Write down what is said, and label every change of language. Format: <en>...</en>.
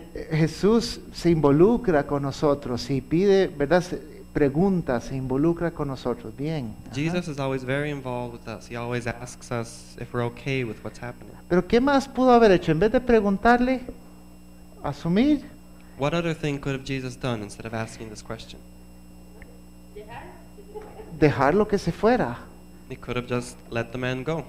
<es>Jesús se involucra con nosotros y pide, ¿verdad? Pregunta, se involucra con nosotros. Bien.</es> <en>Jesus is always very involved with us. He always asks us if we're okay with what's happening.</en> <es>Pero ¿qué más pudo haber hecho en vez de preguntarle? Asumir.</es> <en>What other thing could have Jesus done instead of asking this question?</en> <es>Dejarlo que se fuera.</es> <en>He could have just let the man go.</en>